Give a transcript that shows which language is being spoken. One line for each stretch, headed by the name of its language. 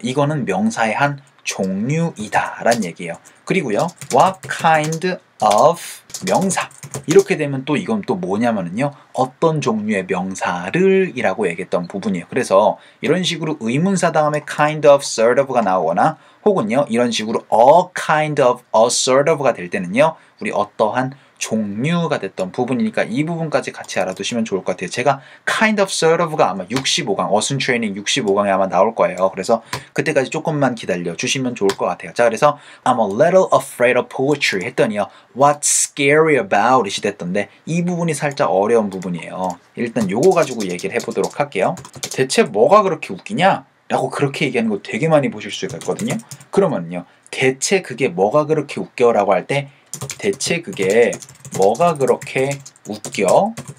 Korean: 이거는 명사의 한 종류이다 라는 얘기예요. 그리고요. What kind of 명사 이렇게 되면 또 이건 또 뭐냐면요. 어떤 종류의 명사를 이라고 얘기했던 부분이에요. 그래서 이런 식으로 의문사 다음에 kind of, sort of가 나오거나 혹은요. 이런 식으로 a kind of, a sort of가 될 때는요. 우리 어떠한 종류가 됐던 부분이니까 이 부분까지 같이 알아두시면 좋을 것 같아요. 제가 kind of, sort of가 아마 65강, 어순 트레이닝 65강에 아마 나올 거예요. 그래서 그때까지 조금만 기다려주시면 좋을 것 같아요. 자, 그래서
English: I'm a little afraid of poetry
Korean: 했더니요.
English: What's scary about it
Korean: 이 됐던데 이 부분이 살짝 어려운 부분이에요. 일단 요거 가지고 얘기를 해보도록 할게요. 대체 뭐가 그렇게 웃기냐? 라고 그렇게 얘기하는 거 되게 많이 보실 수가 있거든요. 그러면요. 대체 그게 뭐가 그렇게 웃겨? 라고 할 때 대체 그게 뭐가 그렇게 웃겨?